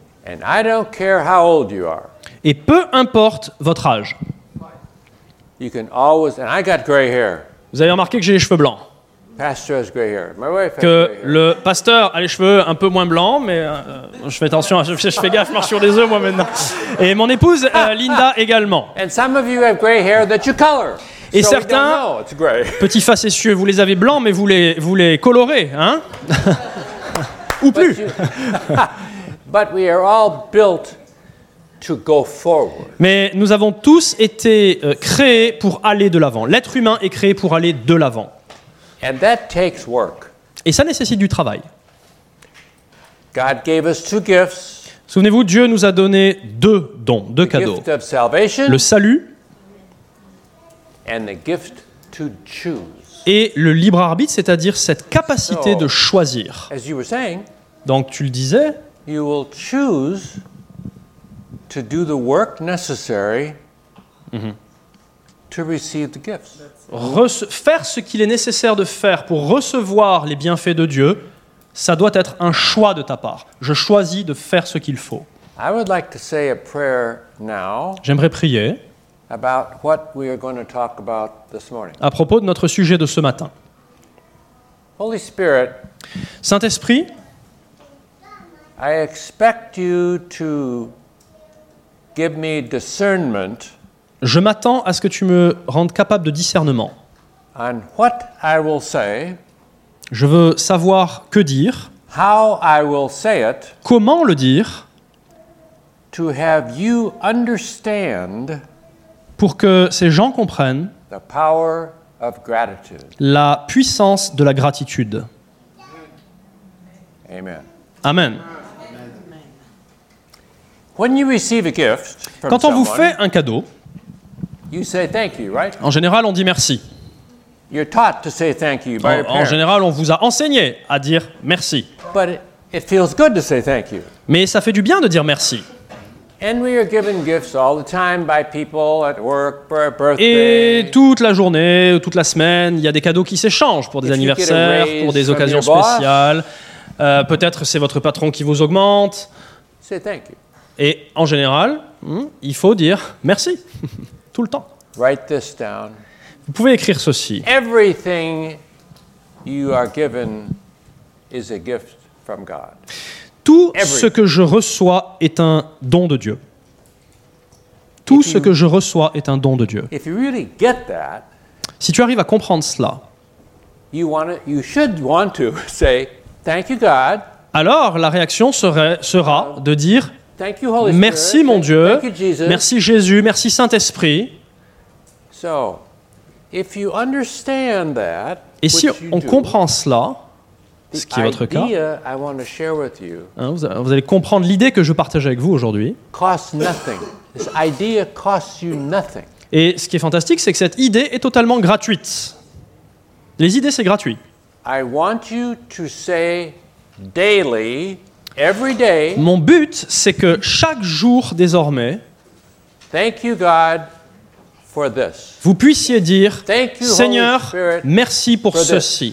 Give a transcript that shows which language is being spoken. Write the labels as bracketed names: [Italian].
[English] And I don't care how old you are. [French] Et peu importe votre âge. [English] You can always, and I got gray hair. [French] Vous avez remarqué que j'ai les cheveux blancs. [English] Pastor has gray hair. My wife has [French] que [English] gray hair. [French] Le pasteur a les cheveux un peu moins blancs, mais je fais attention, je fais gaffe, je marche sur des œufs moi maintenant. Et mon épouse Linda également. [English] And some of you have gray hair that you color. [French] Et [English] so [French] certains, petits facétieux, vous les avez blancs, mais vous les colorez, hein? Ou plus. [English] But we are all built to go forward. [French] Mais nous avons tous été créés pour aller de l'avant. L'être humain est créé pour aller de l'avant. [English] And that takes work. [French] Et ça nécessite du travail. [English] God gave us 2 gifts. [French] Souvenez-vous, Dieu nous a donné 2 dons, 2 cadeaux. [English] The gift of salvation, [French] le salut [English] and the gift to choose. [French] Et le libre arbitre, c'est-à-dire cette capacité de choisir. [English] As you were saying, [French] donc tu le disais, [English] you will choose to do the work necessary. Mm-hmm. To receive the gifts. [French] Faire ce qu'il est nécessaire de faire pour recevoir les bienfaits de Dieu, ça doit être un choix de ta part. Je choisis de faire ce qu'il faut. [English] I would like to say a prayer now. [French] J'aimerais prier [English] about what we are going to talk about this morning. [French] À propos de notre sujet de ce matin. [English] Holy Spirit, [French] Saint-Esprit, [English] I expect you to give me discernment. [French] Je m'attends à ce que tu me rendes capable de discernement. [English] And what I will say, [French] je veux savoir que dire, [English] how I will say it, [French] comment le dire, [English] to have you understand, [French] pour que ces gens comprennent [English] the power of gratitude. [French] La puissance de la gratitude. [English] Amen. [French] Amen. [English] When you receive a gift from someone, [French] quand on vous fait un cadeau, [English] you say thank you, right? [French] En général, on dit merci. [English] You're taught to say thank you by your parents. [French] En général, on vous a enseigné à dire merci. [English] But it feels good to say thank you. [French] Mais ça fait du bien de dire merci. [English] And we are given gifts all the time by people at work for a birthday. [French] Et toute la journée, toute la semaine, il y a des cadeaux qui s'échangent pour des anniversaires, pour des occasions spéciales. Peut-être c'est votre patron qui vous augmente. [English] Say thank you. [French] Et en général, il faut dire merci tout le temps. [English] Write this down. [French] Vous pouvez écrire ceci. [English] Everything you are given is a gift from God. [French] Tout ce que je reçois est un don de Dieu. Tout ce que je reçois est un don de Dieu. [English] If you really get that, [French] si tu arrives à comprendre cela, [English] you should want to say thank you God. [French] Alors la réaction sera de dire [English] thank you, Holy Spirit. [French] Merci mon Dieu, [English] thank you, Jesus. [French] Merci Jésus, merci Saint-Esprit. [English] So, if you understand that, [French] et si on comprend cela, ce qui est votre cas, [English] I want to share with you, [French] hein, vous allez comprendre l'idée que je partage avec vous aujourd'hui. [English] Costs nothing. This idea costs you nothing. [French] Et ce qui est fantastique, c'est que cette idée est totalement gratuite. Les idées, c'est gratuit. [English] I want you to say daily, every day, [French] mon but, c'est que chaque jour désormais, [English] thank you, God, for this. [French] Vous puissiez dire, [English] thank you, [French] Seigneur, [English] Holy Spirit, [French] merci pour ceci.